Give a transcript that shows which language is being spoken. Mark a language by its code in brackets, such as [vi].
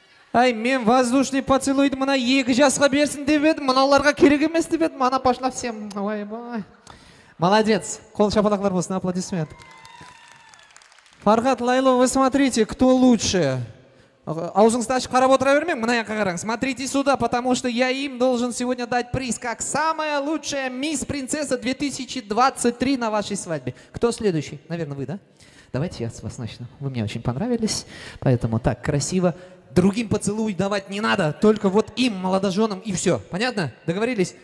[kaa] Ай, мен [ru] воздушный поцелуй, [kaa] мына екі жасқа берсін деп едім, мыналарға керек емес деп едім, мана [ru] пошла всем. [kaa] Ой, бай. Молодец. Қол шапалақлар болсын, аплодисмент. [ru] Фархат, Лайло, вы смотрите, кто лучше. [kaa] Аузыңызды ашып қарап отыра бермей, мына яққа қараңыз. [ru] Смотрите сюда, потому что я им должен сегодня дать приз, как самая лучшая мисс принцесса 2023 на вашей свадьбе. Кто следующий? Наверное, вы, да? Давайте я с вас начну. Вы мне очень понравились, поэтому так красиво. Другим поцелуй давать не надо, только вот им, молодоженам, и все. Понятно? Договорились?